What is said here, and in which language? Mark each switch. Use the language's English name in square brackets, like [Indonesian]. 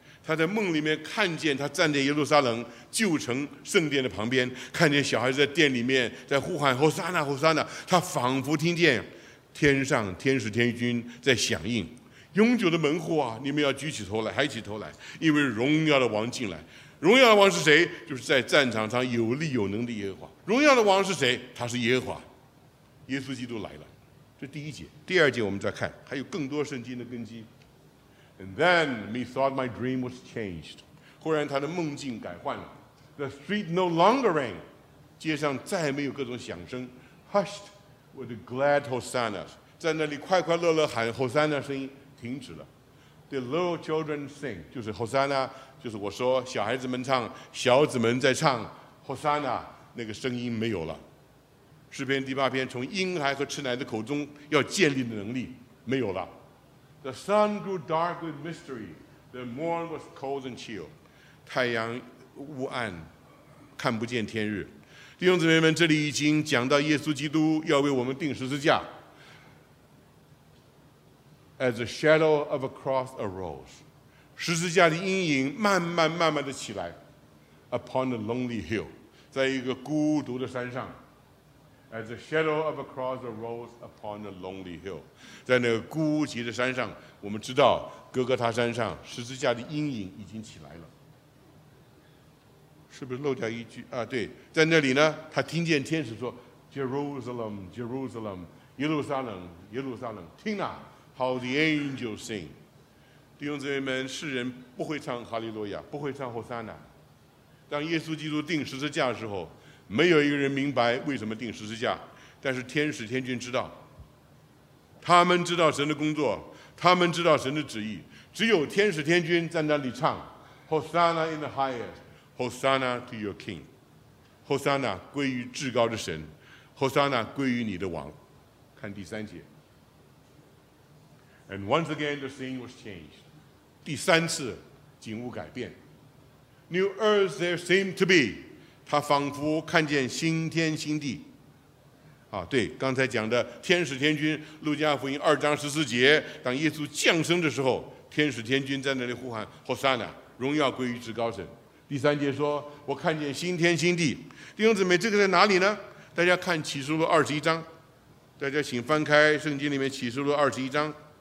[Chinese] 他在梦里面看见他站在耶路撒冷旧城圣殿的旁边，看见小孩在殿里面在呼喊 Hosanna Hosanna， 他仿佛听见天上天使天君在响应，永久的门户啊，你们要举起头来，抬起头来，因为荣耀的王进来。荣耀的王是谁？就是在战场上有力有能的耶和华。荣耀的王是谁？他是耶和华，耶稣基督来了。这第一节。第二节我们再看，还有更多圣经的根基。 [English] And then methought my dream was changed， [Chinese] 忽然他的梦境改换了。 [English] The street no longer rang， [Chinese] 街上再没有各种响声。 [English] Hushed with glad hosannas， [Chinese] 在那里快快乐乐喊 hosanna 声音停止了。 [English] The little children sing， [Chinese] 就是 hosanna， 就是我说小孩子们唱，小子们在唱 hosanna， 那个声音没有了。诗篇第八篇，从婴孩和吃奶的口中要建立的能力没有了。 [English] The sun grew dark with mystery, the morn was cold and chill， [Chinese] 太阳雾暗看不见天日。弟兄姊妹们，这里已经讲到耶稣基督要为我们钉十字架。 [English] As the shadow of a cross arose， [Chinese] 十字架的阴影慢慢慢慢的起来。 [English] Upon the lonely hill， [Chinese] 在一个孤独的山上。 [English] As the shadow of a cross arose upon the lonely hill， [Chinese] 在那个孤寂的山上，我们知道哥哥他山上十字架的阴影已经起来了，是不是漏掉一句啊？对，在那里呢，他听见天使说 ：“Jerusalem, Jerusalem， 耶路撒冷，耶路撒冷，听啊 ， [English] How the angels sing。” [Chinese] 弟兄姊妹们，世人不会唱哈利路亚，不会唱 Hosanna。当耶稣基督钉十字架的时候，没有一个人明白为什么钉十字架，但是天使天君知道，他们知道神的工作，他们知道神的旨意。只有天使天君在那里唱 [English] Hosanna in the highest， Hosanna to your king， [Chinese] Hosanna 归于至高的神， Hosanna 归于你的王。看第三节。 [English] And once again the scene was changed， [Chinese] 第三次景物改变。 [English] New earth there seemed to be， [Chinese] 他仿佛看见新天新地。啊，对，刚才讲的天使天君，路加福音二章十四节，当耶稣降生的时候，天使天君在那里呼喊 Hosanna， 荣耀归于至高神。第三节说，我看见新天新地。弟兄姊妹，这个在哪里呢？大家看启示录二十一章，大家请翻开圣经里面启示录二十一章。